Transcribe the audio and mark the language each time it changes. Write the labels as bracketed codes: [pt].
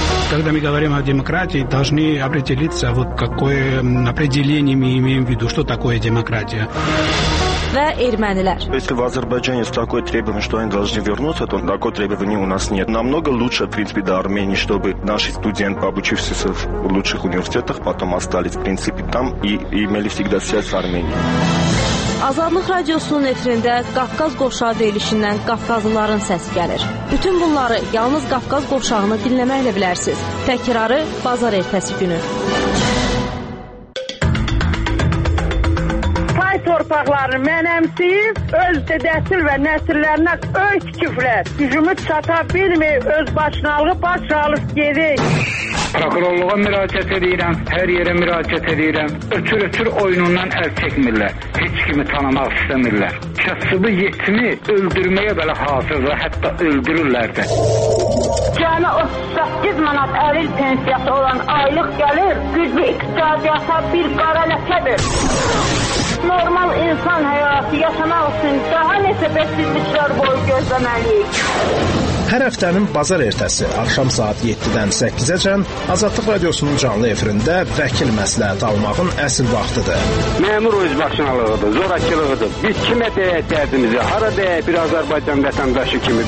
[ru] Когда мы говорим о демократии, должны определиться, вот какое определение мы имеем в виду, что такое демократия. [az] Və ermənilər. [ru] Если в Азербайджане есть такое требование, что они должны вернуться, то такое требование у нас нет. Намного лучше, в принципе, до Армении, чтобы наши студенты, обучившиеся в лучших университетах, потом остались, в принципе, там и имели всегда связь с Арменией. [az] Azadlıq Radiosunun efirində Qafqaz Qovşağı deyilişindən Qafqazlıların səsi gəlir. Bütün bunları yalnız Qafqaz Qovşağını dinləməklə bilərsiniz. Təkrarı bazar ertəsi günü. Pay torpaqları mənəmsiz, öz dedəsil və nəsillərinə öz küflər. Gücümü çata bilməyib, öz başınalığı başalıb gedik. Prokurorluğa müraciət edirəm, hər yerə müraciət edirəm. Ötür-ötür oyunundan əl çəkmirlər, heç kimi tanımaq istəmirlər. Kəsibi yetimi öldürməyə belə hazırlar, hətta öldürürlər də. Cəmi 38 manat əlil pensiyası olan aylıq gəlir, güclü iqtisadiyyata bir qara ləkədir. Normal insan həyatı yaşamaq üçün daha neçə bəsizliklər boyu gözləməliyik. Hər həftənin bazar ertəsi axşam saat 7-dən 8-əcən Azadlıq Radiosunun canlı efirində vəkil məsləhət almağın əsl vaxtıdır. Məmur öz başınalığıdır, zorakılığıdır. Biz kimə deyək dərdimizi, hara deyək bir Azərbaycan vətəndaşı kimi?